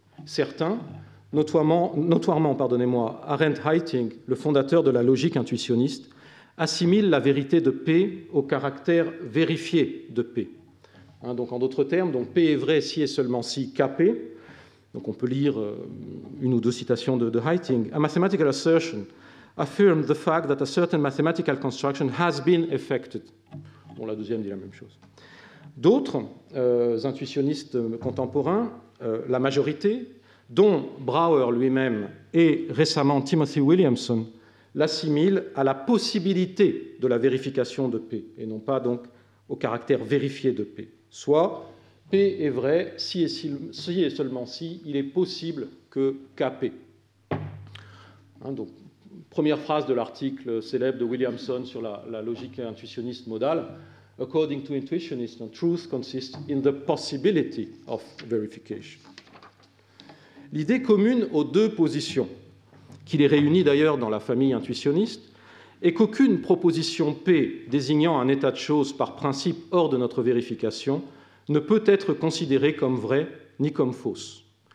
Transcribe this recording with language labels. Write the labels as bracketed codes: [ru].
[fr] Certains, notoirement, Arendt Haitink, le fondateur de la logique intuitionniste, assimilent la vérité de P au caractère vérifié de P. Donc, en d'autres termes, donc P est vrai si et seulement si KP. Donc, on peut lire une ou deux citations de Haitink. [en] A mathematical assertion affirms the fact that a certain mathematical construction has been effected. [fr] Bon, la deuxième dit la même chose. D'autres intuitionnistes contemporains, la majorité, dont Brouwer lui-même et récemment Timothy Williamson, l'assimilent à la possibilité de la vérification de P et non pas donc au caractère vérifié de P. Soit P est vrai si et seulement si il est possible que KP. Donc, première phrase de l'article célèbre de Williamson sur la logique intuitionniste modale. [en] According to intuitionists, truth consists in the possibility of verification. [fr] L'idée commune aux deux positions, qui les réunit d'ailleurs dans la famille intuitionniste, est qu'aucune proposition P désignant un état de choses par principe hors de notre vérification ne peut être considérée comme vraie ni comme fausse.